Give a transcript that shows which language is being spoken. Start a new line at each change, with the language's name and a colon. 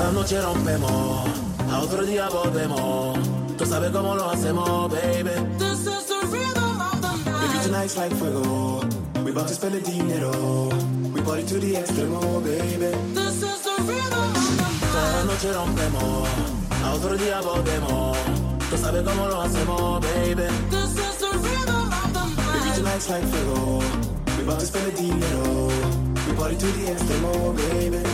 Spanish: noche rompemos, a otro día volvemos. Tú sabes cómo lo hacemos, baby.
English: This is the rhythm of the night. Baby, tonight's like fuego. We about to spend the dinero. We party to the extremo, baby. This is the rhythm of the night.
Spanish: La noche rompemos, a otro día volvemos. Tú sabes cómo lo hacemos, baby.
English: This is the rhythm of the night. Baby, tonight's like fuego. We about to spend the dinero. We party to the extremo, baby.